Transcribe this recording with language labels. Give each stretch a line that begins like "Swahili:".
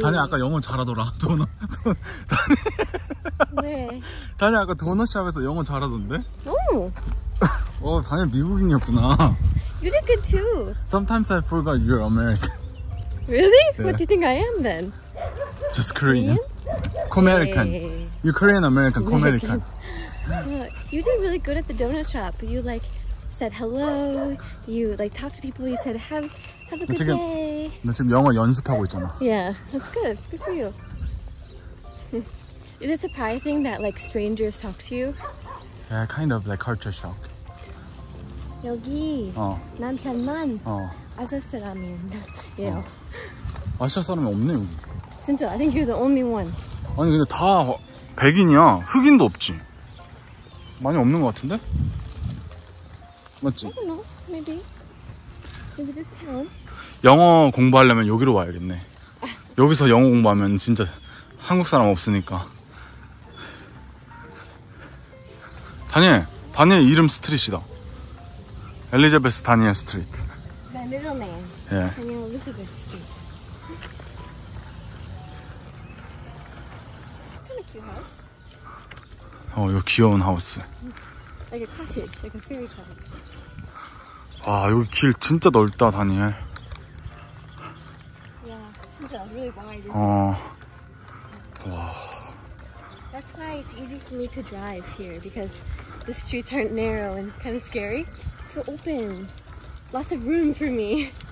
Korean: 다니엘 아까 영어 잘하더라. 도넛. 다니엘. 네. 다니엘 아까 도넛샵에서 영어 잘하던데? 오! 어, 다니엘 미국인이었구나.
English: You did good too. Sometimes I forgot you're American. Really? Yeah. What do you think I am then? Just Korean. American. You Korean American. American. You did really good at the donut shop. You like. Said hello. You like talk to people. You said have a good
Korean: 지금,
English: day.
Korean: 나 지금 영어 연습하고 있잖아.
English: Yeah, that's good. Good for you. Is it surprising that like strangers talk to you? Yeah, kind of like culture shock.
Korean: 여기 남편만 아시아 사람이에요. 아시아 사람이 없네요.
English: 진짜, I think you're the only one.
Korean: 아니 근데 다 백인이야. 흑인도 없지. 많이 없는 것 같은데? 맞지?
English: I don't know. Maybe this town.
Korean: 영어 공부하려면 여기로 와야겠네. 여기서 영어 공부하면 진짜 한국 사람 없으니까. 다니엘, 다니엘 이름 스트릿이다. 엘리자베스 다니엘 스트릿.
English: My middle name.
Korean: 예. 다니엘 엘리자베스 스트릿.
English: Kind of cute house.
Korean: 어, 이거 귀여운 하우스.
English: Like a cottage, like a fairy cottage.
Korean: 와, 여기 길 진짜 넓다, 다니엘. 야, 진짜
English: really wide.
Korean: 어. 와.
English: That's why it's easy for me to drive here because the streets aren't narrow and kind of scary. So open. Lots of room for me.